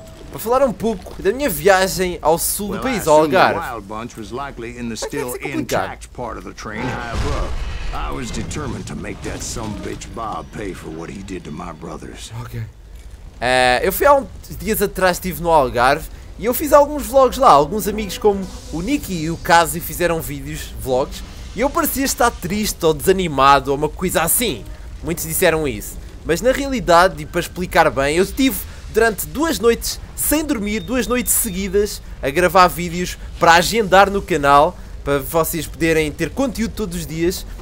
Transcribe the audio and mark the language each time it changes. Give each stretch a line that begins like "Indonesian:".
Portuguese: Para falar um pouco da minha viagem ao sul do país, ao Algarve. Mas deve ser complicado.
English: I was determined to make that some bitch Bob pay for what he did to my brothers. Okay.
Portuguese: Eu fui há uns dias atrás, estive no Algarve e eu fiz alguns vlogs lá. Alguns amigos como o Nicky e o Casio fizeram vídeos, vlogs, e eu parecia estar triste ou desanimado ou uma coisa assim. Muitos disseram isso. Mas na realidade, e para explicar bem, eu estive durante duas noites sem dormir, duas noites seguidas, a gravar vídeos para agendar no canal, para vocês poderem ter conteúdo todos os dias.